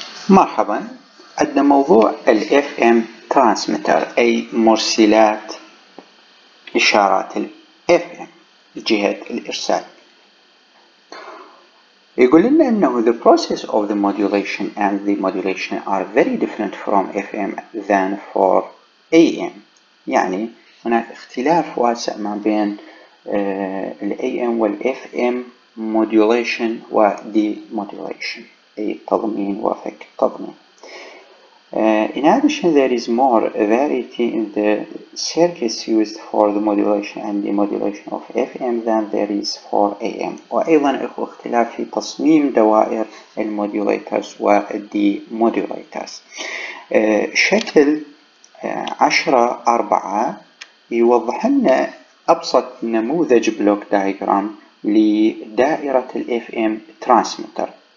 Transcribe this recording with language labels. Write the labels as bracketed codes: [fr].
[ar] مرحبا، عندنا موضوع الـ FM Transmitter أي مرسلات إشارات الـ FM جهة الإرسال. يقول لنا أنه [en] the process of the modulation and the modulation are very different from FM than for AM. [ar] يعني هناك اختلاف واسع ما بين الـ AM والـ FM modulation و demodulation. تضمين وفك تضمين. [en] In addition, there is more variety in the circuits used for the modulation and demodulation of FM than there is for AM. [ar] وأيضا أخو اختلاف في تصميم دوائر المودوليترز والديمودوليترز. شكل 10.4 يوضح لنا أبسط نموذج بلوك دايجرام لدائرة الـ FM ترانسميتر.